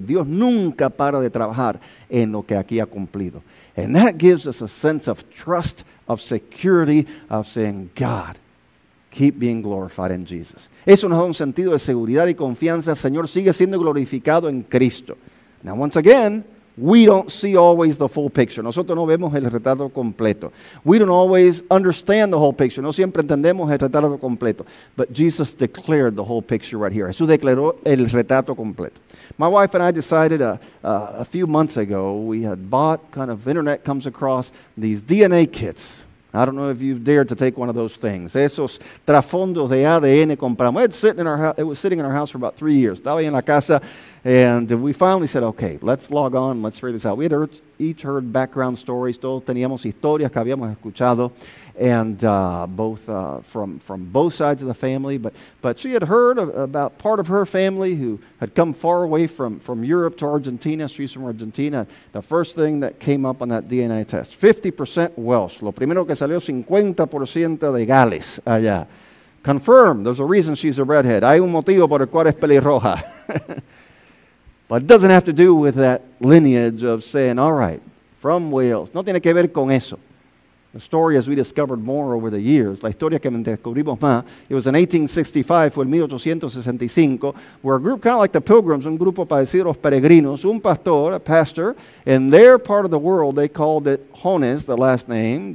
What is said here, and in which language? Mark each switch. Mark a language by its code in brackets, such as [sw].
[es] Dios nunca para de trabajar en lo que aquí ha cumplido. [en] And that gives us a sense of trust, of security, of saying, God, keep being glorified in Jesus. [es] Eso nos da un sentido de seguridad y confianza. El Señor sigue siendo glorificado en Cristo. [en] Now, once again, we don't see always the full picture. [es] Nosotros no vemos el retrato completo. [en] We don't always understand the whole picture. [es] No siempre entendemos el retrato completo. [en] But Jesus declared the whole picture right here. [es] Jesús declaró el retrato completo. [en] My wife and I decided a few months ago, we had bought, kind of internet comes across, these DNA kits. I don't know if you've dared to take one of those things. [es] Esos trasfondos de ADN compramos. [en] It was sitting in our house for about 3 years. [es] Estaba en la casa, [en] and we finally said, okay, let's log on, let's figure this out. We had each heard background stories. [es] Todos teníamos historias que habíamos escuchado, [en] and both from both sides of the family. But she had heard about part of her family who had come far away from Europe to Argentina. She's from Argentina. The first thing that came up on that DNA test, 50% Welsh. [es] Lo primero que salió, 50% de Gales allá. [en] Confirmed, there's a reason she's a redhead. [es] Hay un motivo por el cual es pelirroja. [en] But it doesn't have to do with that lineage of saying, all right, from Wales. [es] No tiene que ver con eso. [en] The story, as we discovered more over the years, [es] la historia que descubrimos más, [en] it was in 1865, [es] fue en 1865, [en] where a group kind of like the Pilgrims, [es] un grupo parecido a los peregrinos, un pastor, [en] a pastor, in their part of the world, they called it Jones, the last name.